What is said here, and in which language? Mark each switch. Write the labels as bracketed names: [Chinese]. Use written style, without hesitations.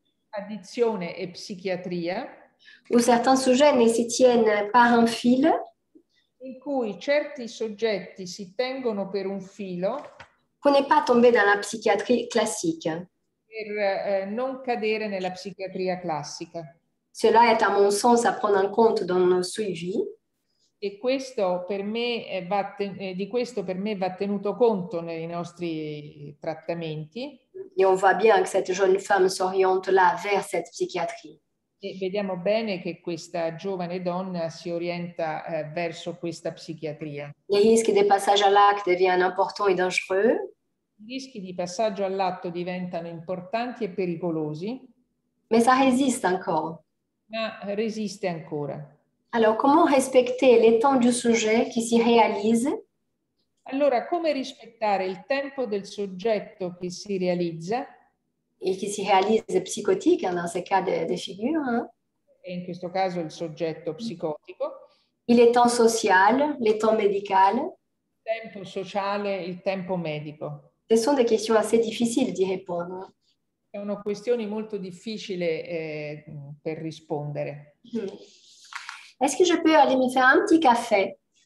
[Italian] Addizione e psichiatria. [French] Où certains sujets ne si tiennent par un fil. [Italian] In cui certi soggetti si tengono per un filo. [French] Qu'on n'est pas tombé dans la psychiatrie classique. [Italian] Per non cadere nella psichiatria classica. [French] Cela est à mon sens à prendre en compte dans nos suivis. [Italian] E questo per me va tenuto conto nei nostri trattamenti. [French] Et on voit bien que cette jeune femme s'oriente là vers cette psychiatrie. [Italian] E vediamo bene che questa giovane donna si orienta verso questa psichiatria. [French] Les risques de passage à l'acte deviennent importants et dangereux. [Italian] I rischi di passaggio all'atto diventano importanti e pericolosi. [French] Mais ça résiste encore. [Italian] Ma resiste ancora. [French] Alors, comment respecter le temps du sujet qui si réalise? [Italian] Allora, come rispettare il tempo del soggetto che si realizza? E che si realizza psicotico, in questo caso di figura. E in questo caso il soggetto psicotico. [French] Il temps social, le temps médical. [Italian] Il tempo sociale, il tempo medico. [French] Ce sont des questions assez difficiles d'y répondre. [Italian] Sono questioni molto difficili per rispondere. Mm. [French] Est-ce que je peux aller me faire un petit café?